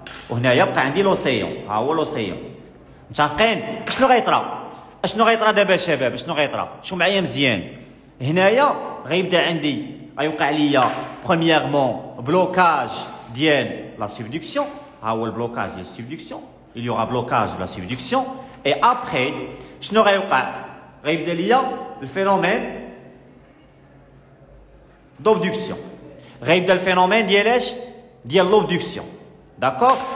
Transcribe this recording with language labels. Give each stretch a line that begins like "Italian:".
Arabic: وهنا يبقى عندي لوسيون. ها هو لوسيون متفقين؟ شنو غيطرى؟ اشنو غيطرى دابا شباب؟ شنو غيطرى؟ شوف معايا مزيان. هنايا غيبدا عندي غيوقع ليا بروميييرمون بلوكاج ديال لا سوبدكسيون. ها هو البلوكاج ديال السوبدكسيون.
French: il y aura blocage de la subduction et après
Arabic: شنو غيوقع؟ غيبدا ليا الفينومين دوبدكسيون. غيبدا الفينومين ديال اش؟ ديال لوبدكسيون داكور.